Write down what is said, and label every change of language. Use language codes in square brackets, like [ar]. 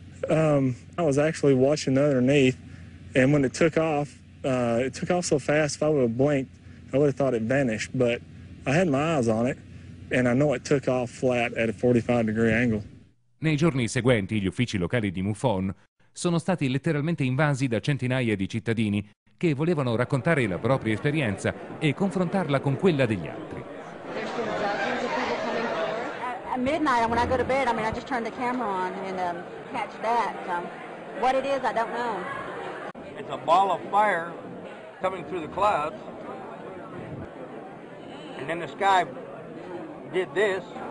[en] I was actually watching underneath, and when it took off, it took off so fast, if I would have blinked, I would have thought it vanished, but I had my eyes on it, and I know it took off flat at a 45-degree angle. [it] Nei giorni seguenti, gli uffici locali di MUFON sono stati letteralmente invasi da centinaia di cittadini che volevano raccontare la propria esperienza e confrontarla con quella degli altri. [en] At midnight, when I go to bed, I mean, I just turn the camera on and catch that. What it is, I don't know. It's a ball of fire coming through the clouds, and then the sky did this.